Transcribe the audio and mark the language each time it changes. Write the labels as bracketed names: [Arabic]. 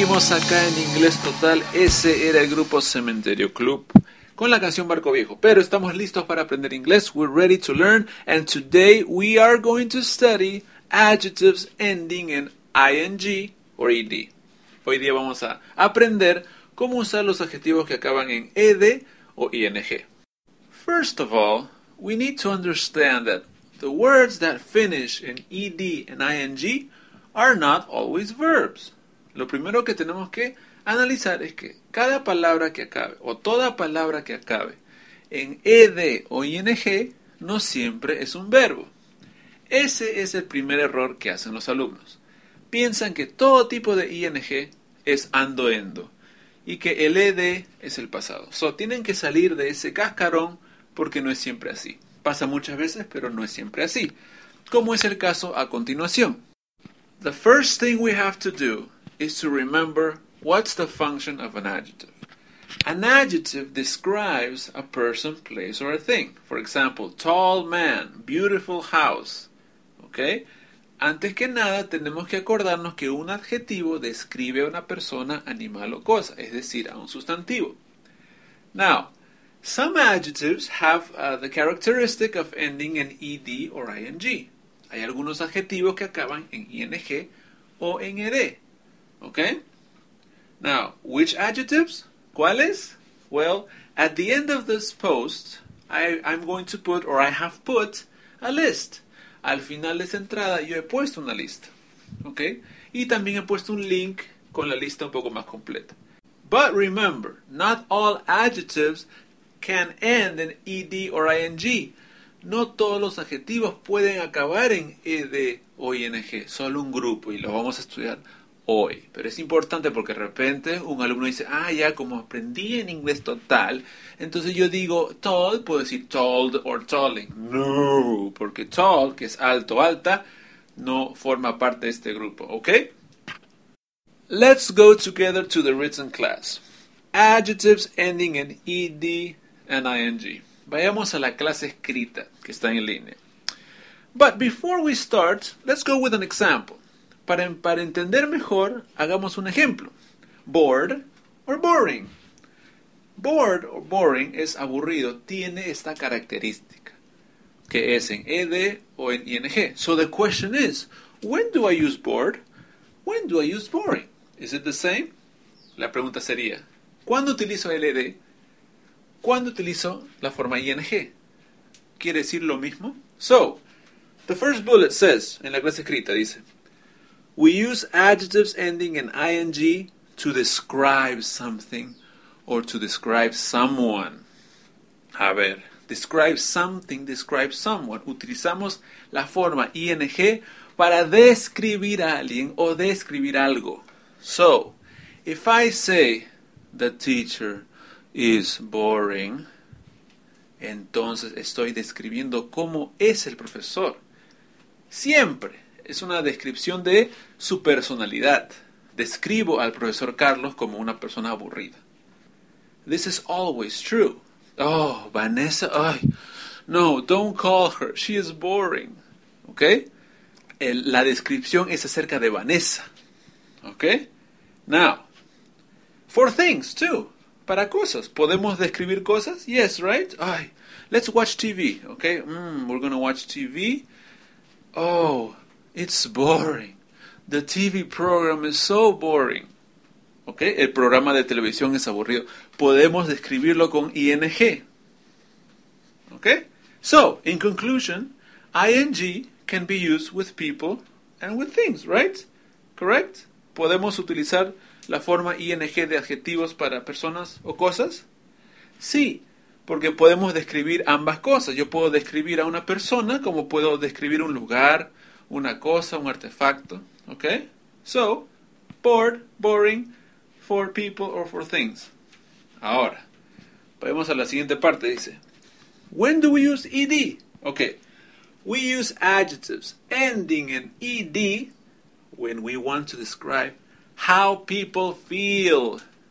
[Spanish] Acá en Inglés Total, ese era el grupo Cementerio Club con la canción Barco Viejo, pero estamos listos para aprender inglés. [English] We're ready to learn, and today we are going to study adjectives ending in ing or ed. [Spanish] Hoy día vamos a aprender cómo usar los adjetivos que acaban en ed o ing. [English] First of all, we need to understand that the words that finish in ed and ing are not always verbs. [Spanish] Lo primero que tenemos que analizar es que cada palabra que acabe, o toda palabra que acabe, en ed o ing, no siempre es un verbo. Ese es el primer error que hacen los alumnos. Piensan que todo tipo de ing es andoendo, y que el ed es el pasado. So, tienen que salir de ese cascarón porque no es siempre así. Pasa muchas veces, pero no es siempre así. Como es el caso a continuación. [English] The first thing we have to do is to remember what's the function of an adjective. An adjective describes a person, place, or a thing. For example, tall man, beautiful house. Okay? [Spanish] Antes que nada, tenemos que acordarnos que un adjetivo describe a una persona, animal, o cosa, es decir, a un sustantivo. [English] Now, some adjectives have the characteristic of ending in ed or ing. [Spanish] Hay algunos adjetivos que acaban en ing o en ed. [English] Okay? Now, which adjectives? [Spanish] ¿Cuáles? [English] Well, at the end of this post, I have put a list. [Spanish] Al final de esta entrada, yo he puesto una lista. Okay? Y también he puesto un link con la lista un poco más completa. [English] But remember, not all adjectives can end in ed or ing. [Spanish] No todos los adjetivos pueden acabar en ed o ing. Solo un grupo, y lo vamos a estudiar hoy. Pero es importante porque de repente un alumno dice, ah, ya, como aprendí en inglés total, entonces yo digo tall, puedo decir told or talling. No, porque tall, que es alto, alta, no forma parte de este grupo, ¿ok? [English] Let's go together to the written class. Adjectives ending in ed and ing. [Spanish] Vayamos a la clase escrita, que está en línea. [English] But before we start, let's go with an example. [Spanish] Para entender mejor, hagamos un ejemplo. Bored or boring. Bored or boring es aburrido. Tiene esta característica, que es en ed o en ing. [English] So the question is, when do I use bored? When do I use boring? Is it the same? [Spanish] La pregunta sería, ¿cuándo utilizo ed? ¿Cuándo utilizo la forma ing? ¿Quiere decir lo mismo? [English] So, the first bullet says, [Spanish] en la clase escrita dice, [English] we use adjectives ending in ing to describe something or to describe someone. A ver, describe something, describe someone. [Spanish] Utilizamos la forma ing para describir a alguien o describir algo. [English] So, if I say the teacher is boring, [Spanish] entonces estoy describiendo cómo es el profesor. Siempre es una descripción de su personalidad. Describo al profesor Carlos como una persona aburrida. [English] This is always true. Oh, Vanessa, ay, no, don't call her, she is boring. [Spanish] ¿Ok? La descripción es acerca de Vanessa. ¿Ok? [English] Now, for things too. [Spanish] Para cosas. ¿Podemos describir cosas? [English] Yes, right? Ay, let's watch TV, okay? We're gonna watch TV. Oh, it's boring. The TV program is so boring. Okay? [Spanish] El programa de televisión es aburrido. Podemos describirlo con ing. Okay? [English] So, in conclusion, ing can be used with people and with things, right? Correct? [Spanish] ¿Podemos utilizar la forma ing de adjetivos para personas o cosas? Sí, porque podemos describir ambas cosas. Yo puedo describir a una persona como puedo describir un lugar, una cosa, un artefacto. ¿Ok? [English] So, bored, boring, for people or for things. [Spanish] Ahora, vamos a la siguiente parte. Dice, [English] when do we use ed? Ok, we use adjectives ending in ed when we want to describe how people feel.